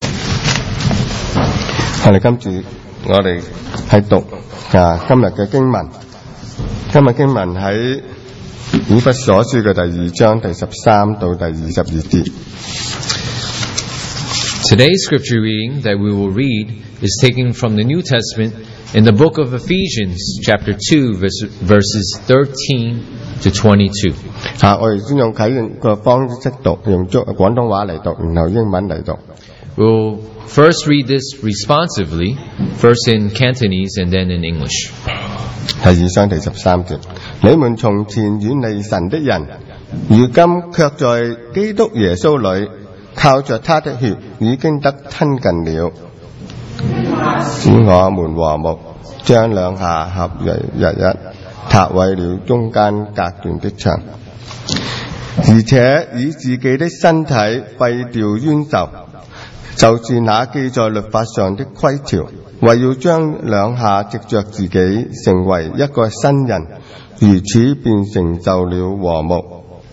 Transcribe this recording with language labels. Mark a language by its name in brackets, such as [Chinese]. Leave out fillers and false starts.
[Cantonese] 我哋今主，我哋系读啊今日嘅经文。今日经文喺以弗所书嘅第二章第十三到第二十二节。 [English] Today's scripture reading that we will read is taken from the New Testament in the book of Ephesians, chapter 2, verses 13 to 22. [Cantonese] 我先用启用个方式读，用广东话嚟读，然后英文嚟读。 [English] We'll first read this responsively, first in Cantonese and then in English. [Cantonese] 第二章第十三节，你们从前远离神的人，如今却在基督耶稣里，靠着他的血已经得亲近了。使我们和睦，将两下合为一，塌毁了中间隔断的墙，而且以自己的身体废掉冤仇，就是那记在律法上的规条，为要将两下藉着自己成为一个新人，如此便成就了和睦。